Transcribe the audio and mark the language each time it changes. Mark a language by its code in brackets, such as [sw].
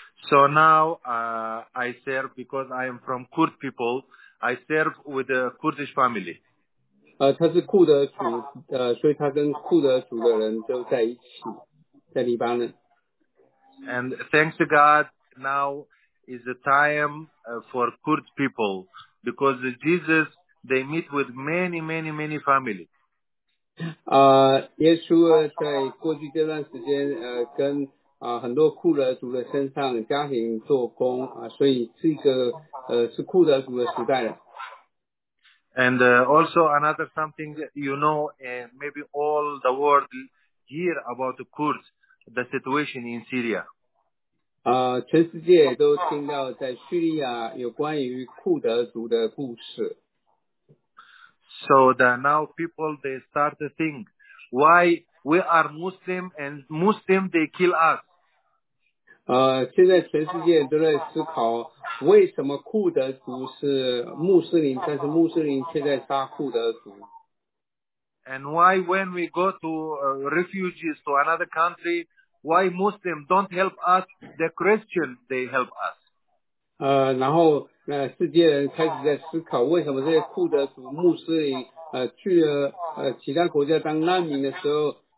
[en] So now I serve because I am from Kurd people. I serve with a Kurdish family. [zh] 他是库德族，所以他跟库德族的人都在一起，在黎巴嫩。 [en] And thanks to God, now is the time for Kurd people because Jesus, they meet with many, many, many families. [zh] 耶稣在过去这段时间，跟很多库德族的身上的家庭做工啊，所以这个是库德族的时代了。 [en] And also another something you know, maybe all the world hear about the Kurds, the situation in Syria. [zh] 全世界都听到在叙利亚有关于库德族的故事。 [en] So the now people they start to think why we are Muslim and Muslim they kill us. [zh] 现在全世界都在思考为什么库德族是穆斯林，但是穆斯林却在杀库德族。 [en] And why when we go to refugees to another country, why Muslim don't help us, the Christian they help us? [zh] 然后世界人开始在思考为什么这些库德族穆斯林去了其他国家当难民的时候。